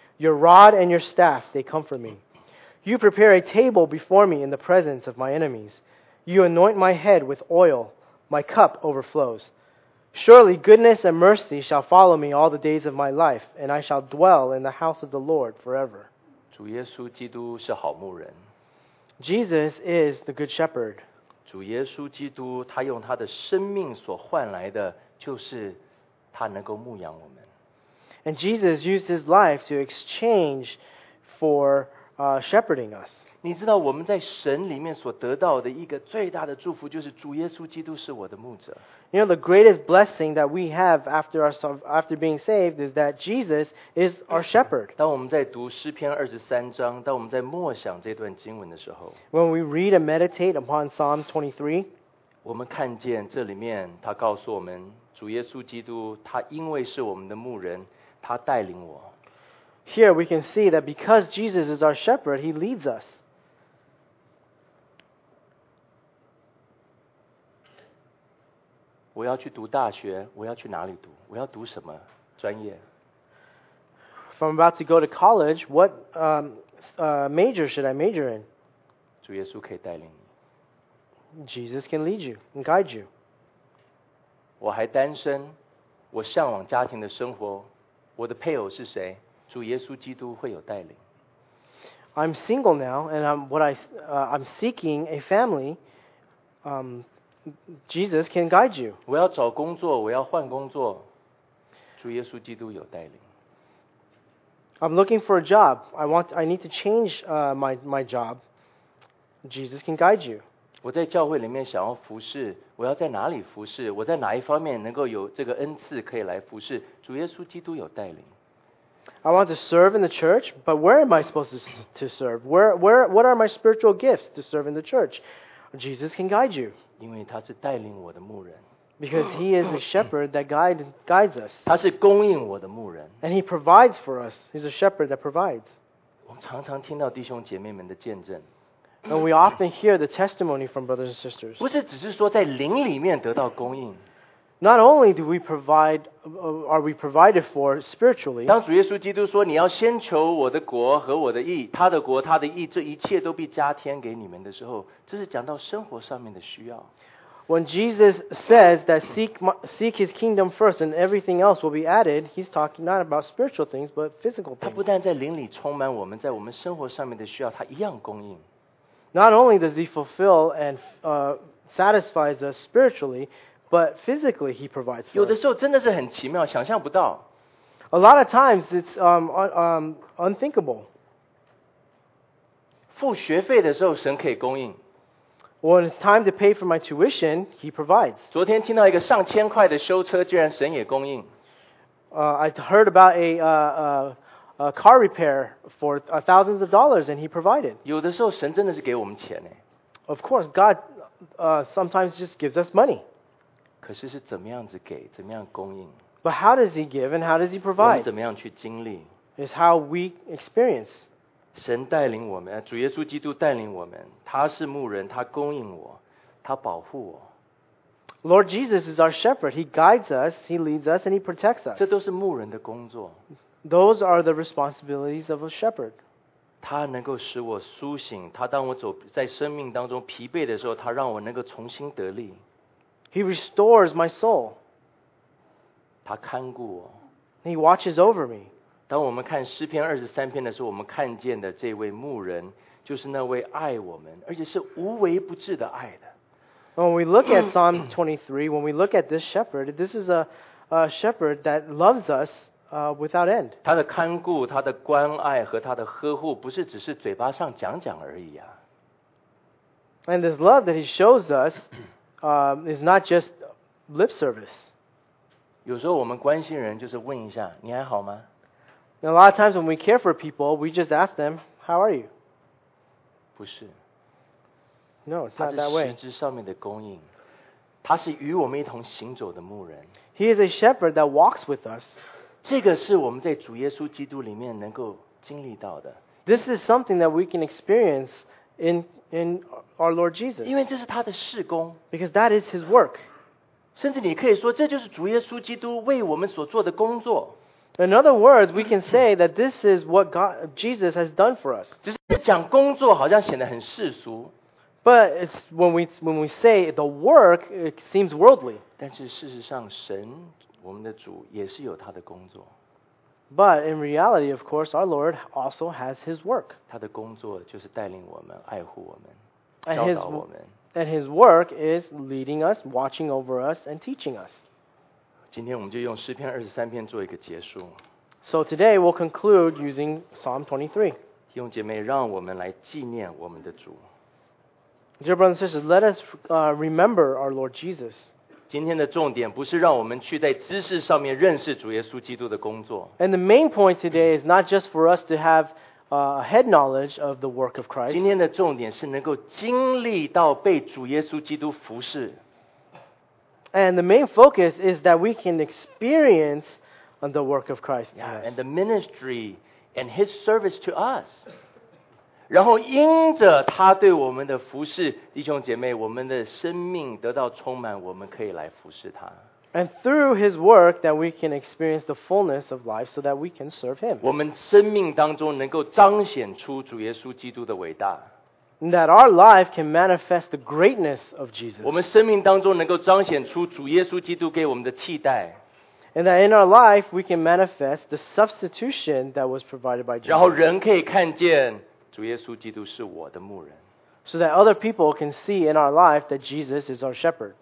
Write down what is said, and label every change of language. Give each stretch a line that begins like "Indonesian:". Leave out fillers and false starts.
English: Your rod and your staff, they comfort me. You prepare a table before me in the presence of my enemies. You anoint my head with oil. My cup overflows. Surely goodness and mercy shall follow me all the days of my life, and I shall dwell in the house of the Lord forever.
Chinese: 主耶稣基督是好牧人。
English: Jesus is the good shepherd.
Chinese: 主耶稣基督他用他的生命所换来的就是他能够牧养我们。
English: And Jesus used his life to exchange for shepherding us.
Chinese: 你知道我们在神里面所得到的一个最大的祝福就是主耶稣基督是我的牧者。
English: You know, the greatest blessing that we have after being saved is that Jesus is our shepherd.
Chinese: 当我们在读诗篇23章，当我们在默想这段经文的时候，
English: When we read and meditate upon Psalm 23,
Chinese: 我们看见这里面他告诉我们，主耶稣基督他因为是我们的牧人，他带领我。
English: Here we can see that because Jesus is our shepherd, He leads us.
Chinese: 我要去读大学，我要去哪里读？我要读什么专业？
English: If I'm about to go to college, what major should I major in?
Chinese: 主耶稣可以带领你。
English: Jesus can lead you and guide you.
Chinese: 我还单身，我向往家庭的生活，我的配偶是谁？主耶稣基督会有带领。
English: I'm single now, and I'm seeking a family. Jesus can guide you.
Chinese: 我要找工作，我要换工作，主耶稣基督有带领。
English: I'm looking for a job. I need to change my job. Jesus can guide you.
Chinese: 我在教会里面想要服事，我要在哪里服事？我在哪一方面能够有这个恩赐可以来服事？主耶稣基督有带领。
English: I want to serve in the church, but where am I supposed to serve? What are my spiritual gifts to serve in the church? Jesus can guide you.
Chinese: 因为他是带领我的牧人。
English: Because he is a shepherd that guides us.
Chinese: 他是供应我的牧人。
English: And he provides for us. He's a shepherd that provides.
Chinese: 我们常常听到弟兄姐妹们的见证。
English: And we often hear the testimony from brothers and sisters.
Chinese: 不是只是说在灵里面得到供应。
English: Not only do we provide, are we provided for spiritually?
Chinese: 当主耶稣基督说你要先求我的国和我的义，他的国他的义，这一切都必加添给你们的时候，这是讲到生活上面的需要。
English: When Jesus says that seek his kingdom first and everything else will be added, he's talking not about spiritual things but physical things.
Chinese: 他不但在灵里充满我们，在我们生活上面的需要，他一样供应。
English: Not only does he fulfill and satisfies us spiritually. But physically, he provides for us.
Chinese: 有的时候真的是很奇妙，想象不到。
English: A lot of times, it's unthinkable.
Chinese: 付学费的时候，神可以供应。
English: When it's time to pay for my tuition, he provides.
Chinese: 昨天听到一个上千块的修车，居然神也供应。
English: I heard about a car repair for thousands of dollars, and he provided.
Chinese: 有的时候神真的是给我们钱耶。
English: Of course, God sometimes just gives us money.
Chinese: 可是是怎么样子给，怎么样供应
English: ？But how does he give and how does he provide？
Chinese: 怎么样去经历
English: ？Is how we experience。
Chinese: 神带领我们，主耶稣基督带领我们。他是牧人，他供应我，他保护我。
English: Lord Jesus is our shepherd. He guides us, he leads us, and he protects us.
Chinese: 这都是牧人的工作。
English: Those are the responsibilities of a shepherd.
Chinese: 他能够使我苏醒。他当我走在生命当中疲惫的时候，他让我能够重新得力。
English: He restores my soul.
Chinese: 他看顾我。
English: He watches over me.
Chinese: 当我们看诗篇二十三篇的时候，我们看见的这位牧人，就是那位爱我们，而且是无微不至的爱的。
English: When we look at Psalm 23, when we look at this shepherd, this is a shepherd that loves us without end.
Chinese: 他的看顾、他的关爱和他的呵护，不是只是嘴巴上讲讲而已啊。
English: And this love that he shows us. Is not just lip service.
Chinese: 有时候我们关心人就是问一下，你还好吗？
English: A lot of times when we care for people, we just ask them, "How are you?"
Chinese: 不是。
English: No, it's not that way.
Chinese: 他是实质上面的供应，他是与我们一同行走的牧人。
English: He is a shepherd that walks with us.
Chinese: 这个是我们在主耶稣基督里面能够经历到的。
English: This is something that we can experience in our Lord Jesus.
Chinese: 因为这是他的事工。
English: Because that is his work.
Chinese: 甚至你可以说这就是主耶稣基督为我们所做的工作。
English: In other words, we can say that this is what God, Jesus has done for us.
Chinese: 只是讲工作好像显得很世俗。
English: But it's when we say the work, it seems worldly.
Chinese: 但是事实上神，我们的主也是有他的工作。
English: But in reality, of course, our Lord also has his work.
Chinese: 他的工作就是带领我们，爱护我们。
English: And his work is leading us, watching over us, and teaching us.
Chinese: 今天我们就用诗篇二十三篇做一个结束。
English: So today we'll conclude using Psalm 23.
Chinese: 弟兄姐妹，让我们来纪念我们的主。
English: Dear brothers and sisters, let us remember our Lord Jesus.
Chinese: 今天的重点不是让我们去在知识上面认识主耶稣基督的工作。
English: And the main point today is not just for us to haveHead knowledge of the work of Christ.
Chinese: 今天的重点是能够经历到被主耶稣基督服事。
English: And the main focus is that we can experience the work of Christ. Yeah, and the ministry and His service to us.
Chinese: 然后因着他对我们的服事，弟兄姐妹，我们的生命得到充满，我们可以来服事他。
English: And through his work that we can experience the fullness of life so that we can serve him.
Chinese: 我们生命当中能够彰显出主耶稣基督的伟大。
English: That our life can manifest the greatness of Jesus.
Chinese: 我们生命当中能够彰显出主耶稣基督给我们的替代。
English: And that in our life we can manifest the substitution that was provided by Jesus.
Chinese: 然后人可以看见主耶稣基督是我的牧人。
English: So that other people can see in our life that Jesus is our shepherd.